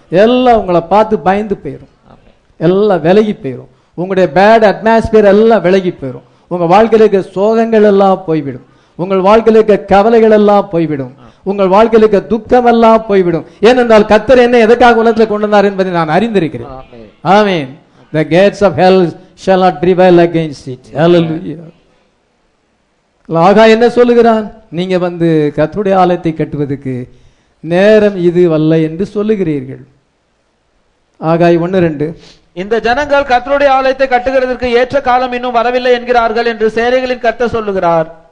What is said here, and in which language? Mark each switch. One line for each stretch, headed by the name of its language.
Tamil: எல்லாம் உங்களை பார்த்து பயந்து போயிடும், எல்லாம் விலகி போயிடும். உங்களுடைய
English: bad atmosphere
Tamil: எல்லாம் விலகி போயிடும். உங்க வாழ்க்கையில இருக்க சோகங்கள் எல்லாம் போய்விடும். உங்கள் வாழ்க்கையில இருக்க கவலைகள் எல்லாம் போய்விடும். உங்கள் வாழ்க்கையில இருக்க துக்கம் எல்லாம் போய்விடும். ஏனென்றால் கர்த்தர் என்ன எதற்காக உலகத்தில் கொண்டு வந்தார் என்பதை நான் அறிந்திருக்கிறேன். ஆமென்.
English: The gates of hell shall not prevail against it.
Tamil: Hallelujah. ஆகா என்ன சொல்லுகிறான்? நீங்க வந்து கர்த்தருடைய ஆலயத்தை கட்டுவதற்கு நேரம் இது அல்ல என்று சொல்லுகிறீர்கள். ஆகாய் 1:2. இந்த ஜனங்கள் கர்த்தருடைய ஆலயத்தை கட்டுகிறதற்கு ஏற்ற காலம் இன்னும் வரவில்லை என்கிறார்கள் என்று சேனைகளின் கர்த்தர் சொல்லுகிறார்.